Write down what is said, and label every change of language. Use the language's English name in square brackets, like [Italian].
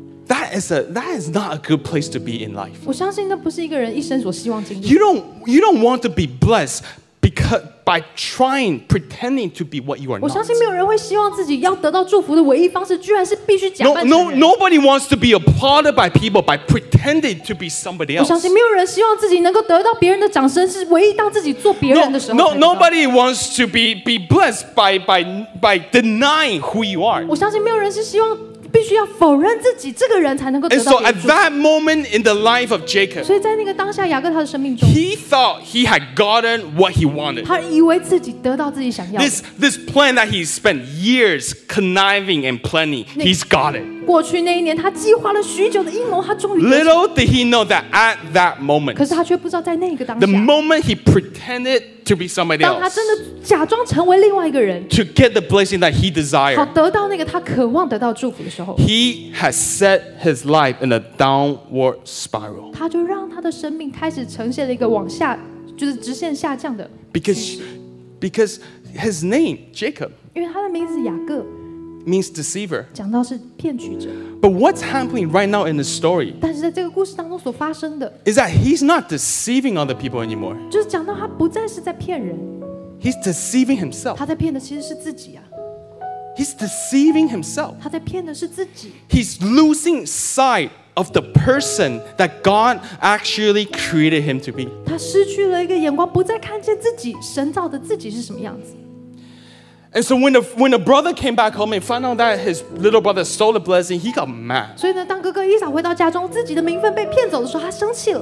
[English] That is not a good place to be in life. [Chinese] 我相信那不是一个人一生所希望经历。 [English] You don't want to be blessed because. by trying, pretending to be what you are not. [Chinese] 我相信没有人会希望自己要得到祝福的唯一方式，居然是必须假扮成人。 [English] Nobody wants to be applauded by people by pretending to be somebody else. [Chinese] 我相信没有人希望自己能够得到别人的掌声，是唯一当自己做别人的时候。 [English] Nobody wants to be blessed by denying who you are. [Chinese] 我相信没有人是希望。必须要否认自己，这个人才能够得到祝福。 [English] And so at that moment in the life of Jacob, [Chinese] 所以在那个当下，雅各他的生命中 [English] ，he thought he had gotten what he wanted. [Chinese] 他以为自己得到自己想要的。 [English] This plan that he spent years conniving and planning, he's got it. [Chinese] 过去那一年，他计划了许久的阴谋，他终于。 [English] Little did he know that at that moment. [Chinese] 可是他却不知道在那个当下。 [English] The moment he pretended to be somebody else. [Chinese] 当他真的假装成为另外一个人。 [English] To get the blessing that he desired. [Chinese] 好，得到那个他渴望得到祝福的时候。 [English] He has set his life in a downward spiral. [Chinese] 他就让他的生命开始呈现了一个往下，就是直线下降的。 [English] Because his name Jacob. [Chinese] 因为他的名字雅各。 [English] Means deceiver. [Chinese] 讲到是骗取者。 [English] But what's happening right now in the story? [Chinese] 但是在这个故事当中所发生的。 [English] Is that he's not deceiving other people anymore? [Chinese] 就是讲到他不再是在骗人。 [English] He's deceiving himself. [Chinese] 他在骗的其实是自己啊。 [English] He's deceiving himself. [Chinese] 他在骗的是自己。 [English] He's losing sight of the person that God actually created him to be. [Chinese] 他失去了一个眼光，不再看见自己神造的自己是什么样子。 [English] And so when the brother came back home and found out that his little brother stole the blessing, he got mad. [Chinese] 所以呢，当哥哥一早回到家中，自己的名分被骗走的时候，他生气了。